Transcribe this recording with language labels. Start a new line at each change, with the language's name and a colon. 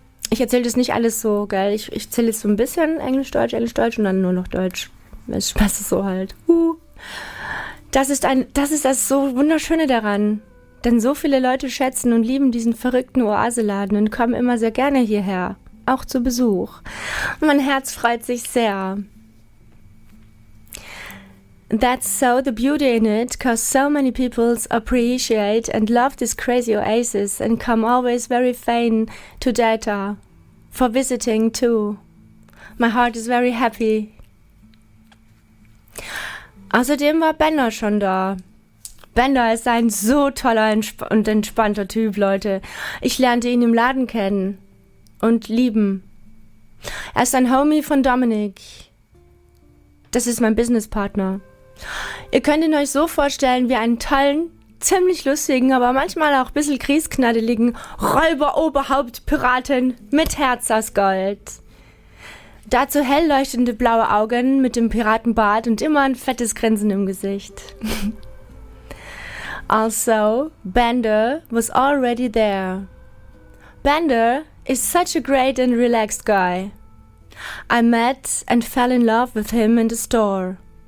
German: Ich erzähle das nicht alles so, gell? Ich erzähle jetzt so ein bisschen Englisch, Deutsch und dann nur noch Deutsch. Das Spaß ist so halt. Das ist das so Wunderschöne daran. Denn so viele Leute schätzen und lieben diesen verrückten Oaseladen und kommen immer sehr gerne hierher. Auch zu Besuch. Und mein Herz freut sich sehr.
English: That's so the beauty in it, cause so many people appreciate and love this crazy oasis and come always very fain to data for visiting too. My heart is very happy.
German: Außerdem war Bender schon da. Bender ist ein so toller und entspannter Typ, Leute. Ich lernte ihn im Laden kennen und lieben. Er ist ein Homie von Dominic. Das ist mein Businesspartner. Ihr könnt ihn euch so vorstellen wie einen tollen, ziemlich lustigen, aber manchmal auch ein bisschen kriegsknaddeligen Räuber-Oberhaupt-Piraten mit Herz aus Gold. Dazu hell leuchtende blaue Augen mit dem Piratenbart und immer ein fettes Grinsen im Gesicht.
English: Also, Bender was already there. Bender is such a great and relaxed guy. I met and fell in love with him in the store.